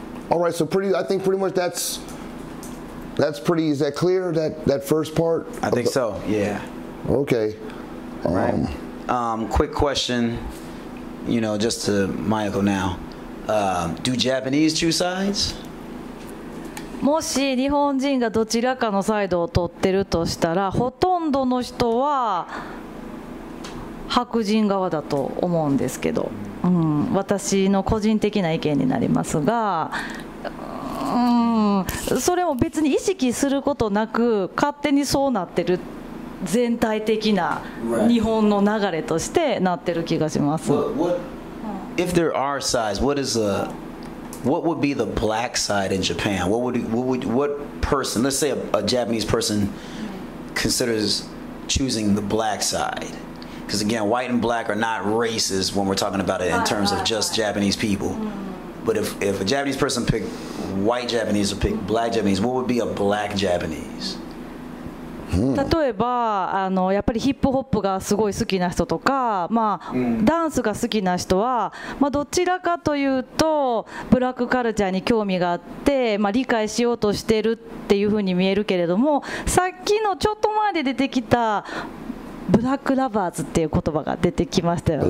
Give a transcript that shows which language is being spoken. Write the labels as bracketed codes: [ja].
[en] All right, so pretty, I think pretty much that's pretty, is that clear, that first part? I think so, yeah. Okay. All right. Quick question, you know, just to Mayako now. Do Japanese choose sides? [ja] もし日本人がどちらかのサイドを取ってるとしたら、ほとんどの人は白人側だと思うんですけど、うん、私の個人的な意見になりますが、それも別に意識することなく勝手にそうなってる、全体的な日本の流れとしてなってる気がします。 [en] If there are sides, what is what would be the black side in Japan? What person, let's say a Japanese person considers choosing the black side? Because again, white and black are not races when we're talking about it in terms of just Japanese people. But if a Japanese person picked white Japanese or picked black Japanese, what would be a black Japanese? [ja] 例えばやっぱりヒップホップがすごい好きな人とか、まあ、ダンスが好きな人は、まあ、どちらかというとブラックカルチャーに興味があって、まあ、理解しようとしてるっていうふうに見えるけれども、さっきのちょっと前で出てきたブラックラバーズっていう言葉が出てきましたよ。